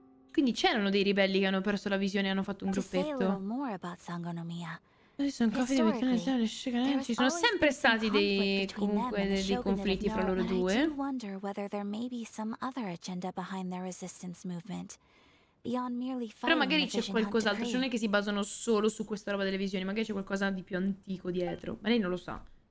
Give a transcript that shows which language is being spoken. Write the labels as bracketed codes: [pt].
[it] Quindi c'erano dei ribelli che hanno perso la visione e hanno fatto un gruppetto. [en] To say a little more about Sangonomiya. [it] Ci sono sempre stati dei comunque dei conflitti fra loro due. [en] I do wonder whether there may be some other agenda behind their resistance movement. [it] Però magari c'è qualcos'altro, cioè non è che si basano solo su questa roba delle visioni, magari c'è qualcosa di più antico dietro, ma lei non lo sa.